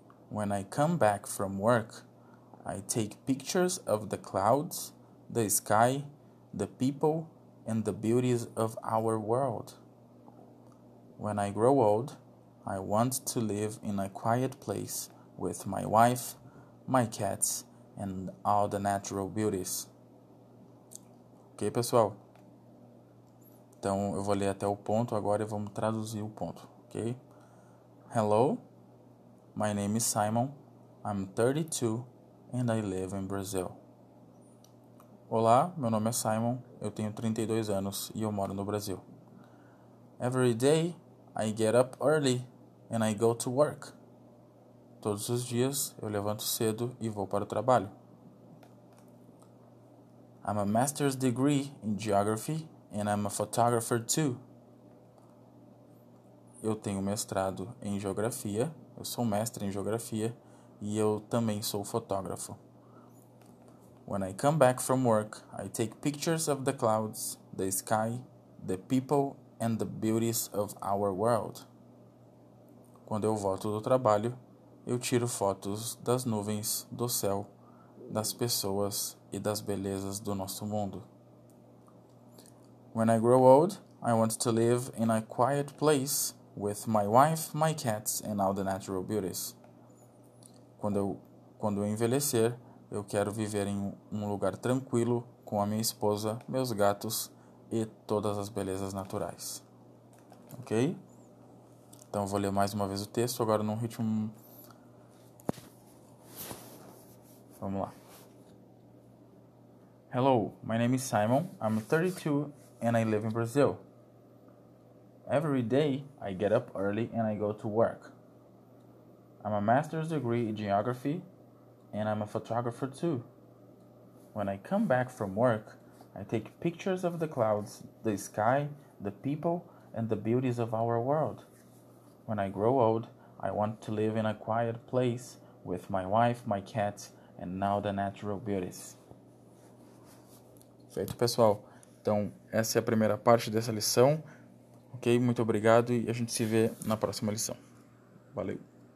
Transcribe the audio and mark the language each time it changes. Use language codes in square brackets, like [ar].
[en] When I come back from work, I take pictures of the clouds, the sky, the people, and the beauties of our world. When I grow old, I want to live in a quiet place with my wife, my cats, and all the natural beauties. [pt] Ok, pessoal? Então eu vou ler até o ponto agora e vamos traduzir o ponto, ok? [en] Hello, my name is Simon, I'm 32 and I live in Brazil. [pt] Olá, meu nome é Simon, eu tenho 32 anos e eu moro no Brasil. [en] Every day I get up early and I go to work. [pt] Todos os dias eu levanto cedo e vou para o trabalho. [en] I'm a master's degree in geography and I'm a photographer too. [pt] Eu tenho mestrado em geografia, eu sou mestre em geografia e eu também sou fotógrafo. [en] When I come back from work, I take pictures of the clouds, the sky, the people and the beauties of our world. [pt] Quando eu volto do trabalho, eu tiro fotos das nuvens, do céu, das pessoas e das belezas do nosso mundo. [en] When I grow old, I want to live in a quiet place with my wife, my cats and all the natural beauties. [pt] Quando eu envelhecer, eu quero viver em um lugar tranquilo com a minha esposa, meus gatos e todas as belezas naturais. Ok? Então eu vou ler mais uma vez o texto, agora num ritmo. Vamos lá. [en] Hello, my name is Simon, I'm 32 and I live in Brazil. Every day I get up early and I go to work. I'm a master's degree in geography and I'm a photographer too. When I come back from work, I take pictures of the clouds, the sky, the people and the beauties of our world. When I grow old, I want to live in a quiet place with my wife, my cats and now the natural beauties. [pt] Feito, pessoal. Então, essa é a primeira parte dessa lição. Ok? Muito obrigado e a gente se vê na próxima lição. Valeu!